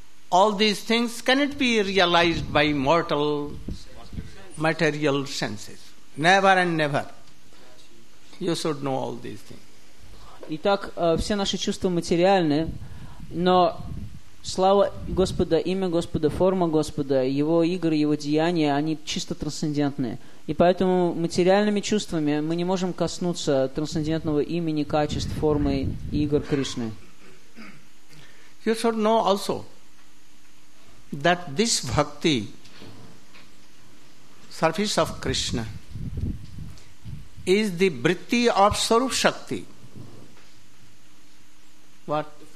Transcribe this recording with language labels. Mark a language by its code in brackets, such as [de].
[en] All these things cannot be realized by mortal material senses. Never and never. You should know all these things. [ru] Итак, все наши чувства материальны, но слава Господа, имя Господа, форма Господа, Его игры, Его деяния, они чисто трансцендентные. И поэтому материальными чувствами мы не можем коснуться трансцендентного имени, качеств, формы и игр Кришны. [en] You should know also that this bhakti, service of Krishna, is the vritti of Swarup Shakti. What?